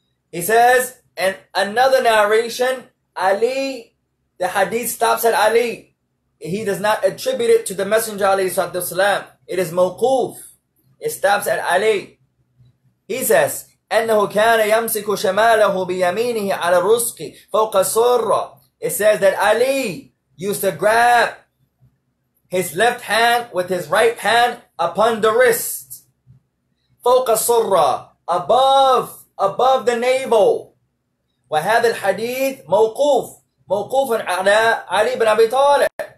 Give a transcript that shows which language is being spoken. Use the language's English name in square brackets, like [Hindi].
[English] He says, and another narration, Ali, the hadith stops at Ali. He does not attribute it to the Messenger, alayhi salatu wasalam. It is mawquf. It stops at Ali. He says, [Arabic] أنه كان يمسك شماله بيمينه على الرزق فوق السرة. [English] It says that Ali used to grab his left hand with his right hand upon the wrist. [Arabic] فوق السرة, [English] above the navel. [Arabic] وهذا الحديث موقوف, موقوف على علي بن أبي طالب.